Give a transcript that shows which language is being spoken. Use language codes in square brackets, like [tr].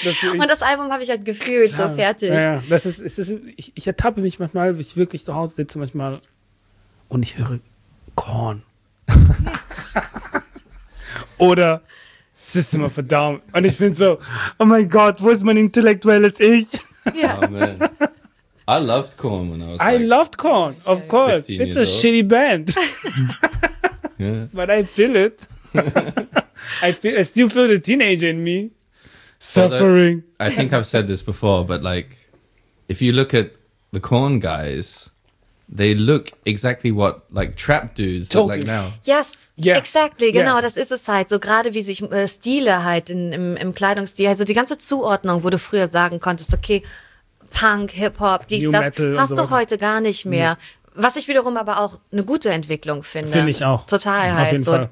[de] und das Album habe ich halt gefühlt, klar, so fertig. Ja, das ist, ich ertappe mich manchmal, wie ich wirklich zu Hause sitze manchmal und ich höre Korn. Oder System of a Down. Und ich bin so, oh mein Gott, wo ist mein intellektuelles Ich? [en] Yeah. Oh man. I loved Korn when I was I like loved Korn, of course. It's a old. Shitty band. Yeah. But I feel it. I still feel the teenager in me suffering. Well, I think I've said this before, but like, if you look at the Korn guys, they look exactly what like trap dudes totally. Look like now. Yes, yeah. Exactly. [de] Genau, yeah. Das ist es halt. So gerade wie sich Stile halt im Kleidungsstil, also die ganze Zuordnung, wo du früher sagen konntest, okay, Punk, Hip-Hop, dies, New das, Metal hast du so heute gar nicht mehr. Yeah. Was ich wiederum aber auch eine gute Entwicklung finde. Finde ich auch. Total halt. Auf jeden Fall.